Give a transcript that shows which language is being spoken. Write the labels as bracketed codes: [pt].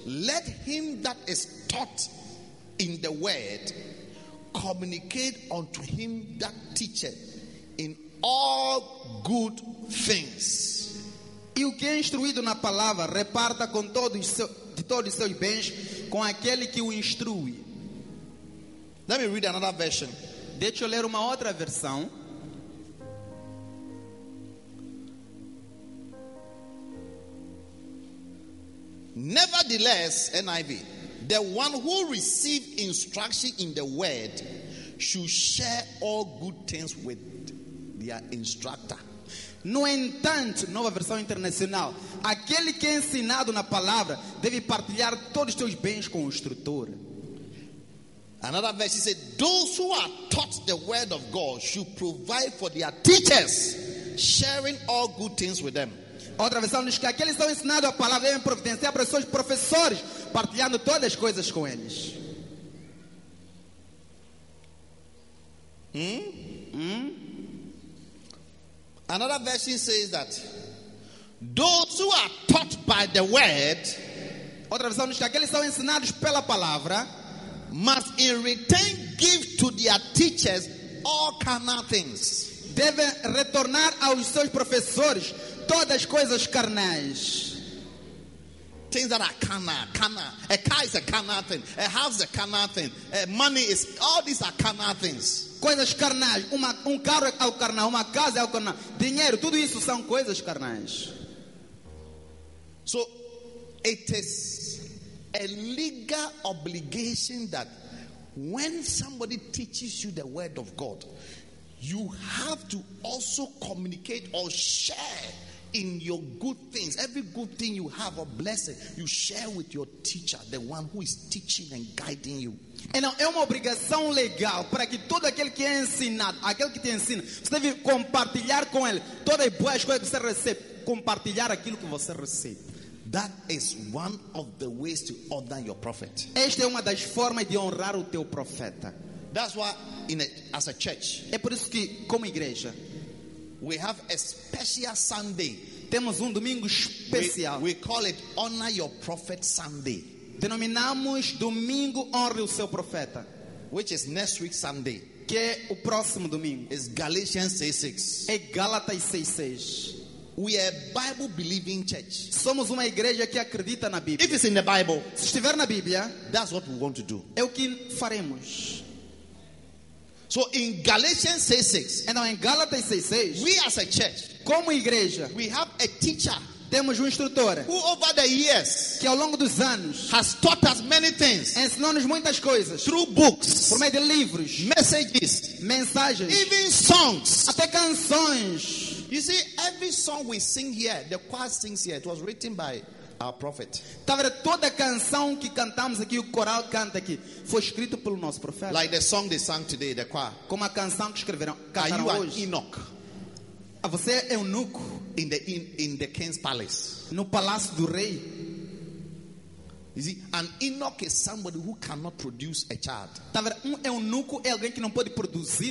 [en] Let him that is taught in the word communicate unto him that teacheth in all good things. [pt] E o que é instruído na palavra reparta com todos seu, de todos os seus bens com aquele que o instrui. [en] Let me read another version. [pt] Deixa eu ler uma outra versão. [en] Nevertheless, NIV, the one who receives instruction in the word should share all good things with their instructor. [pt] No entanto, nova versão internacional, aquele que é ensinado na palavra deve partilhar todos os teus bens com o instrutor. [en] Another verse says, those who are taught the word of God should provide for their teachers, sharing all good things with them. [pt] Outra versão diz que aqueles que estão ensinando a palavra devem providenciar para os seus professores, partilhando todas as coisas com eles. [en] Another version says that those who are taught by the word, [pt] outra versão diz que aqueles que estão ensinados pela palavra, [en] must in return give to their teachers all kind of things. [pt] Devem retornar aos seus professores todas as coisas carnais. [en] Things that are carnal. A car is a carnal thing. A house is a carnal thing. A money is. All these are carnal things. [pt] Coisas carnais. Um carro é o carnal. Uma casa é o carnal. Dinheiro, tudo isso são coisas carnais. [en] So, it is a legal obligation that when somebody teaches you the word of God, you have to also communicate or share. In your good things, every good thing you have or blessing, you share with your teacher, the one who is teaching and guiding you. [pt] E não, é uma obrigação legal para que todo aquele que é ensinado, aquele que te ensina, você deve compartilhar com ele todas as boas coisas que você recebe. compartilhar aquilo que você recebe. [en] That is one of the ways to honor your prophet. [pt] Esta é uma das formas de honrar o teu profeta. [en] That's why in a, as a church, [pt] é por isso que como igreja, [en] we have a special Sunday. [pt] Temos domingo especial. [en] We call it Honor Your Prophet Sunday. [pt] Denominamos domingo honre o seu profeta, [en] which is next week Sunday. [pt] Que é o próximo domingo. [en] It's Galatians 6:6. [pt] É Gálatas 6:6. [en] We are Bible believing church. [pt] Somos uma igreja que acredita na Bíblia. [en] If it's in the Bible, [pt] se estiver na Bíblia, [en] that's what we want to do. [pt] É o que faremos. [en] So in Galatians 6:6, and now in Galatians 6:6, we as a church, [pt] como igreja, [en] we have a teacher, [pt] temos instrutor, [en] who over the years, [pt] que ao longo dos anos, [en] has taught us many things, [pt] ensinou-nos muitas coisas, [en] through books, [pt] por meio de livros, [en] messages, [pt] mensagens, [en] even songs, [pt] até canções. [en] You see, every song we sing here, the choir sings here, it was written by our prophet. [pt] Toda canção que cantamos aqui, o coral canta aqui, foi escrito pelo nosso profeta. [en] Like the song they sang today, the choir. [pt] Como a canção que escreveram, cantaram hoje. [en] Are you an Enoch? [pt] A você é eunuco [en] in the king's palace. [pt] No palácio do rei. [en] You see, an Enoch is somebody who cannot produce a child. [pt] Eunuco é alguém que não pode produzir